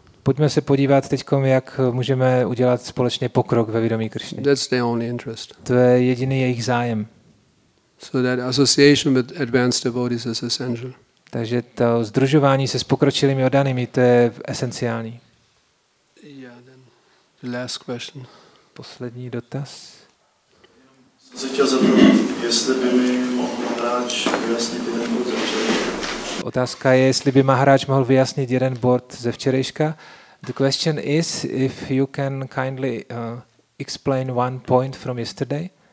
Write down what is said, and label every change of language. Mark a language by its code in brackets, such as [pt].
[cs] Pojďme se podívat teďkom, jak můžeme udělat společně pokrok ve vědomí Krishny. [en] That's their only interest. [cs] To je jediný jejich zájem. [en] So that association with advanced devotees is essential. [cs] Takže to sdružování se s pokročilými oddanými, to je esenciální. [en] Yeah, then the last question. [cs] Poslední dotaz. Jsem se chtěl zeptat, jestli by mi mohl Maharaj vyjasnit jeden bod ze včerejška. Otázka je, jestli by Maharaj mohl vyjasnit jeden bod ze včerejška. [en] The question is if you can kindly explain one point from yesterday.